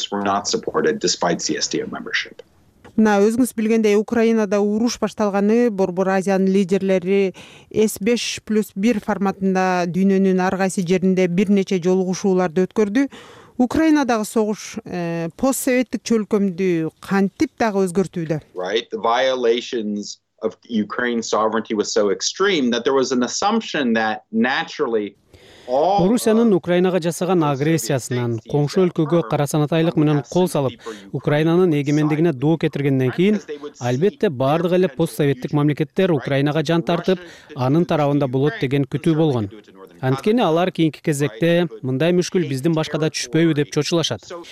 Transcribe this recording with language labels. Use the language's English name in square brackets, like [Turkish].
[Kyrgyz] Мына өзүңүз билгендей, Украинада уруш башталганы Борбор Азиянын лидерлери S5+1 форматында дүйнөнүн ар кайсы жеринде бир нече жолугушууларды өткөрдү. Украинадагы согуш постсоветтик чөлкөмдү кантип дагы өзгөртүүдө? [English] Right, the violations of Ukraine's sovereignty was so extreme that there was an assumption that naturally [Kyrgyz] Орусиянын Украинага жасаган агрессиясынан коңшу өлкөгө кара санатайлык менен кол салып, Украинанын эгемендигине доо кетиргенден кийин, албетте баардык эле постсоветтик мамлекеттер Украинага жан тартып, анын тарабында болот деген күтүү болгон. Анткени алар кийинки кезекте мындай мүшкүл биздин башкада түшпөйбү деп чочулашат.